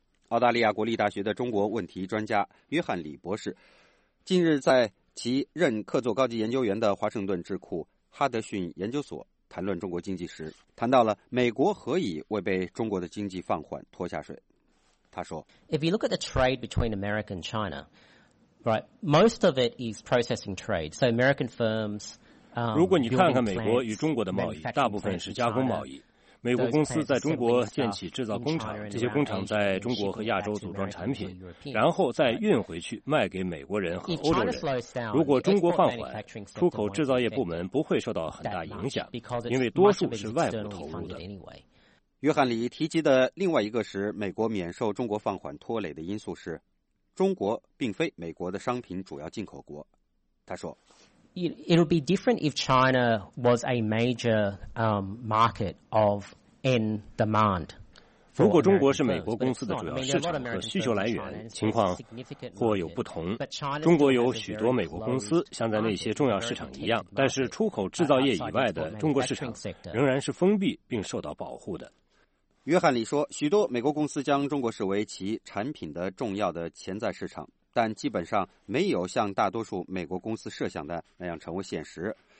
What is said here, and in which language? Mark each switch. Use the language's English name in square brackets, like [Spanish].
[Chinese] 澳大利亚国立大学的中国问题专家约翰·李博士近日在其任客座高级研究员的华盛顿智库哈德逊研究所谈论中国经济时，谈到了美国何以未被中国的经济放缓拖下水。他说 [English] If you look at the trade between America and China, right, most of it is processing trade. So American firms, [Chinese] 如果你看看美国与中国的贸易，大部分是加工贸易。美国公司在中国建起制造工厂，这些工厂在中国和亚洲组装产品，然后再运回去卖给美国人和欧洲人。如果中国放缓，出口制造业部门不会受到很大影响，因为多数是外国投入的。约翰·李提及的另外一个使美国免受中国放缓拖累的因素是，中国并非美国的商品主要进口国。他说 [English] It would be different if China was a major market of end demand. [Chinese] 如果中国是美国公司的主要市场和需求来源，情况或有不同。中国有许多美国公司，像在那些重要市场一样，但是出口制造业以外的中国市场仍然是封闭并受到保护的。约翰·李说，许多美国公司将中国视为其产品的重要的潜在市场，但基本上没有像大多数美国公司设想的那样成为现实。